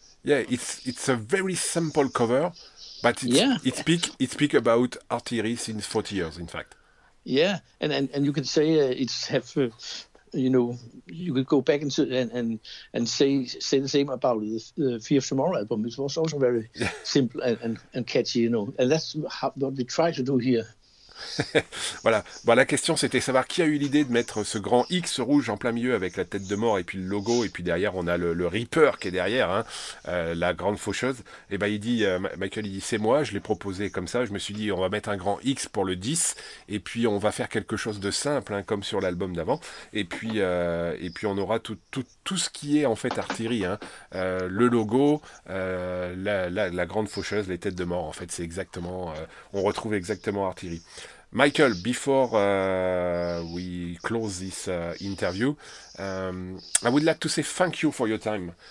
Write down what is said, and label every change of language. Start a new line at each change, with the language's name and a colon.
English: Yeah, it's a very simple cover, but it speak about artillery since 40 years, in fact. Yeah, and you can say it's have. You know, you could go back into and say the same about the Fear of Tomorrow album. It was also very simple and catchy, you know. And that's what we try to do here.
French: Voilà. Bon, la question, c'était savoir qui a eu l'idée de mettre ce grand X rouge en plein milieu avec la tête de mort et puis le logo. Et puis derrière, on a le Reaper qui est derrière, hein, la grande faucheuse. Et ben, il dit, Michael, il dit, c'est moi, je l'ai proposé comme ça. Je me suis dit, on va mettre un grand X pour le 10. Et puis, on va faire quelque chose de simple, hein, comme sur l'album d'avant. Et puis, on aura tout ce qui est en fait artillerie, hein, le logo, la grande faucheuse, les têtes de mort. En fait, c'est exactement, on retrouve exactement artillerie.
English: Michael, before we close this interview, I would like to say thank you for your time.